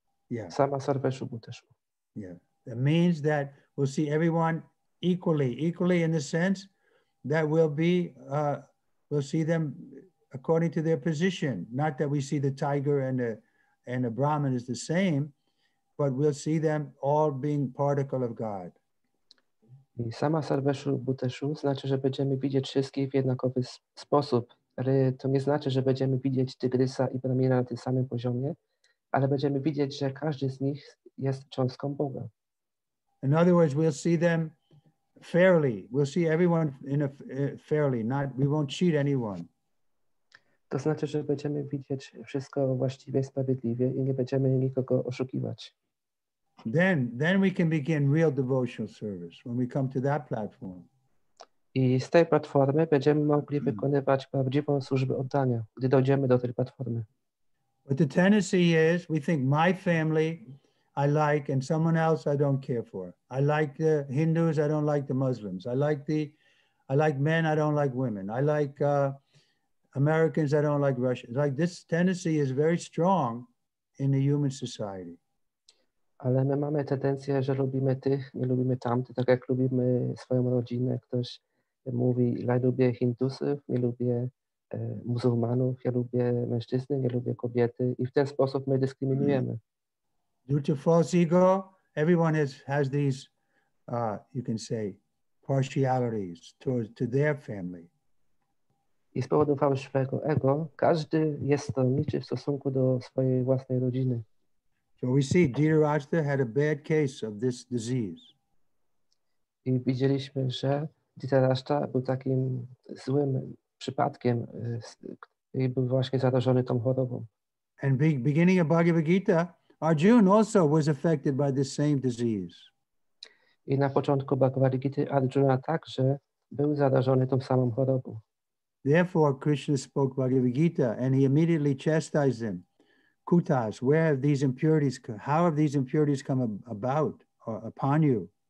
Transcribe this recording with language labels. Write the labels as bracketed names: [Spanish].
[Sanskrit] Sarveshu Bhuteshu. [English] Yeah. It means that we'll see everyone equally in the sense that we'll see them according to their position, not that we see the tiger and the Brahman is the same, but we'll see them all being particle of God. [Polish] I [Sanskrit] sama sarveshu bhuteshu [Polish] znaczy, że będziemy widzieć wszystkich w jednakowy sposób, ale to nie znaczy, że będziemy widzieć tygrysa i Brahmina na tym samym poziomie, ale będziemy widzieć, że każdy z nich jest cząstką Boga. [English] In other words, we'll see them fairly, we'll see everyone in a fairly, not we won't cheat anyone. [Polish] To znaczy, że będziemy widzieć wszystko właściwie, sprawiedliwie i nie będziemy nikogo oszukiwać. [English] Then we can begin real devotional service when we come to that platform. [Polish] I z tej platformy będziemy mogli wykonywać prawdziwą służbę oddania, gdy dojdziemy do tej platformy. [English] But the tendency is we think my family I like, and someone else I don't care for. I like the Hindus, I don't like the Muslims. I like men, I don't like women. I like Americans, I don't like Russians. Like this tendency is very strong in the human society. [Polish] Ale my mamy tendencję, że lubimy tych, nie lubimy tamtych, tak jak lubimy swoją rodzinę. Ktoś mówi, ja lubię Hindusów, nie lubię muzułmanów, ja lubię mężczyzny, nie lubię kobiety. I w ten sposób my dyskryminujemy. [English] Due to false ego, everyone has these, you can say, partialities to their family. [Polish] I z powodu fałszywego ego, każdy jest stronniczy w stosunku do swojej własnej rodziny. [English] So we see Dhritarashtra had a bad case of this disease. [Polish] I widzieliśmy, że Dhritarashtra był takim złym przypadkiem i był właśnie zarażony tą chorobą. [English] And beginning of Bhagavad Gita, Arjuna also was affected by this same disease. [Polish] I na początku Bhagavad Gita Arjuna także był zarażony tą samą chorobą. [English] Therefore, Krishna spoke Bhagavad Gita and he immediately chastised him. Kutas, where have these impurities, how have these impurities come about or upon you?